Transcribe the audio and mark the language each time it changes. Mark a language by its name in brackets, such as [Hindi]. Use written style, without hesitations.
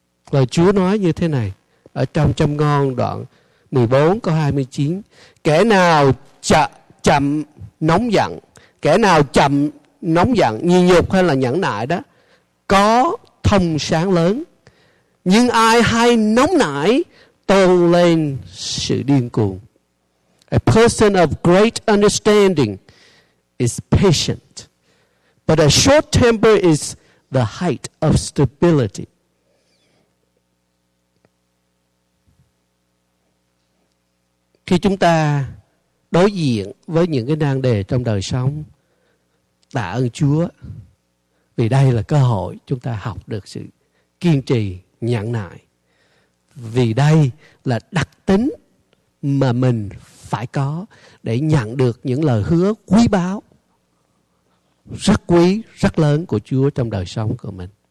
[Vietnamese] Lời Chúa nói như thế này ở trong Châm Ngôn đoạn 14 câu 29: kẻ nào chậm nóng giận, kẻ nào chậm nóng giận, nhịn nhục hay là nhẫn nại đó, có thông sáng lớn. Nhưng ai hay nóng nảy tôn lên sự điên cuồng. [English] A person of great understanding is patient, but a short temper is the height of stability. [Vietnamese] Khi chúng ta đối diện với những cái nan đề trong đời sống, tạ ơn Chúa vì đây là cơ hội chúng ta học được sự kiên trì, nhẫn nại. Vì đây là đặc tính mà mình phải có để nhận được những lời hứa quý báu, rất quý, rất lớn của Chúa trong đời sống của mình.